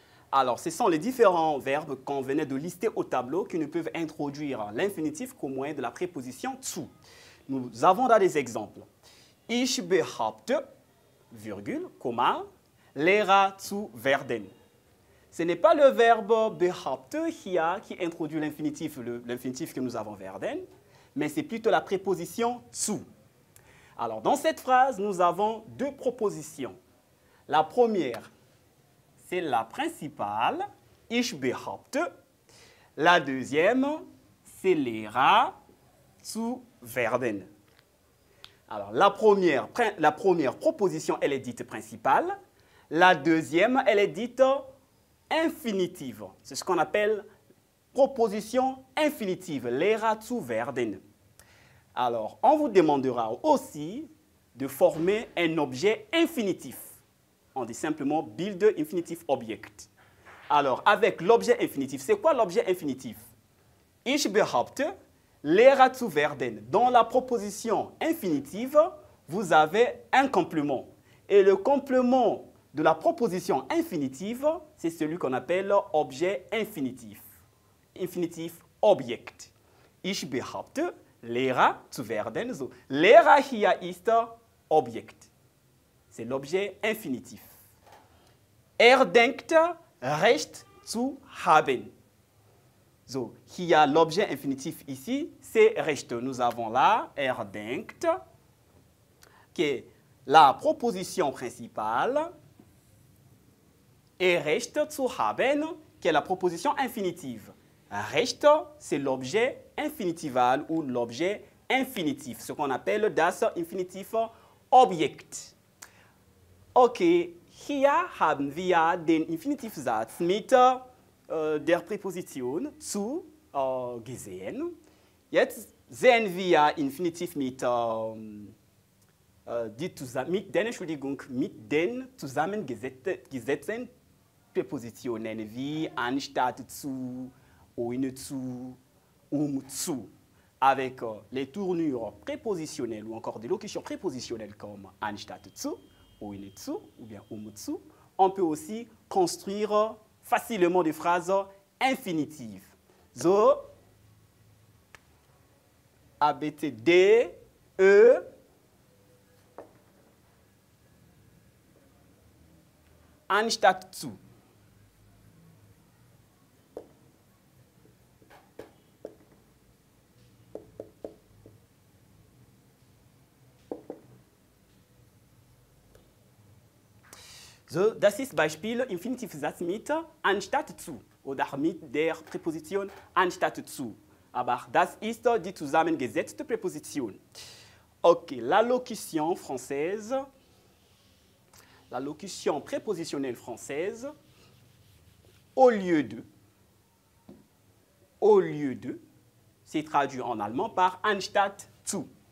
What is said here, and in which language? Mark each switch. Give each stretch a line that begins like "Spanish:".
French: Alors, ce sont les différents verbes qu'on venait de lister au tableau qui ne peuvent introduire l'infinitif qu'au moyen de la préposition zu. Nous avons là des exemples.
German: Ich behaupte, virgule, comma, Lehrer zu werden.
French: Ce n'est pas le verbe behaupte hier qui introduit l'infinitif, l'infinitif que nous avons werden, mais c'est plutôt la préposition zu. Alors, dans cette phrase, nous avons deux propositions. La première, c'est la principale,
German: ich behaupte.
French: La deuxième, c'est
German: Lehrer zu werden.
French: Alors, la première proposition, elle est dite principale. La deuxième, elle est dite infinitive. C'est ce qu'on appelle proposition infinitive,
German: Lehrer zu werden.
French: Alors, on vous demandera aussi de former un objet infinitif. On dit simplement
English: build infinitive object.
French: Alors, avec l'objet infinitif, c'est quoi l'objet infinitif?
German: Ich behaupte, Lehrer zu werden.
French: Dans la proposition infinitive, vous avez un complément. Et le complément de la proposition infinitive, c'est celui qu'on appelle objet infinitif. Infinitif object.
German: Ich behaupte, Lehrer zu werden. Lehrer hier ist object.
French: C'est l'objet infinitif.
German: Denkt recht zu haben.
French: So, hier l'objet infinitif ici, c'est recht. Nous avons là denkt, qui est la proposition principale. Et recht zu haben, qui est la proposition infinitive. Recht, c'est l'objet infinitival ou l'objet infinitif, ce qu'on appelle das infinitif object.
German: Ok, hier haben wir den Infinitivsatz mit der Präposition zu gesehen. Jetzt sehen wir Infinitiv mit den zusammengesetzten Präpositionen wie anstatt zu, ohne zu, zu.
French: Avec les tournures prépositionnelles ou encore des locutions prépositionnelles comme anstatt zu, ohne zu ou bien zu, on peut aussi construire facilement des phrases infinitives.
German: So, ABCD, E, anstatt zu. So, das ist Beispiel Infinitivsatz mit anstatt zu oder mit der Präposition anstatt zu. Aber das ist die zusammengesetzte Präposition.
French: Okay, l'allocution française, l'allocution prépositionnelle française, au lieu de, c'est traduit en allemand par anstatt zu.